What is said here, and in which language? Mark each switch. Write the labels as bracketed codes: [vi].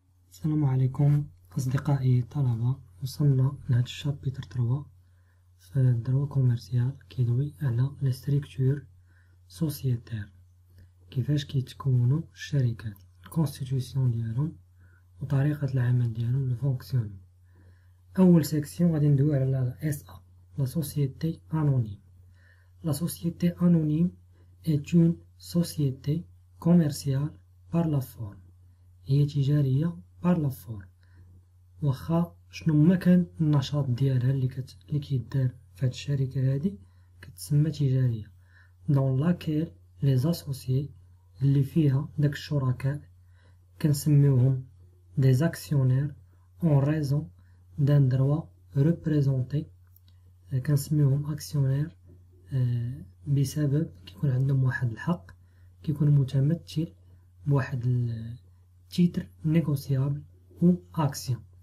[ar] السلام عليكم أصدقائي الطلبة، وصلنا لهذا الشابتر 3 في الدروا كوميرسيال كيدوي على الستريكتور سوسيتير، كيفاش كيتكونوا الشركات، الكونستيتيوسيون ديالهم وطريقة العمل ديالهم الفونكسيون. أول سيكسيون غادي ندوي على لا اس ا، لا سوسيتي انونيم. [fr] لا سوسيتي انونيم est une société commerciale par la forme. [ar] هي تجارية [fr] par la forme. [ar] واخا شنو ما كان النشاط ديالها اللي كيدار في هاد الشركة هادي كتسمى تجارية. [fr] dans laquelle les associés [ar] اللي فيها داك الشركاء كنسميوهم [fr] des actionnaires en raison d'un droit représenté [ar] كنسميوهم actionnaires بسبب كيكون عندهم واحد الحق كيكون متمثل بواحد التيتر نيغوسيابل او اكسيون.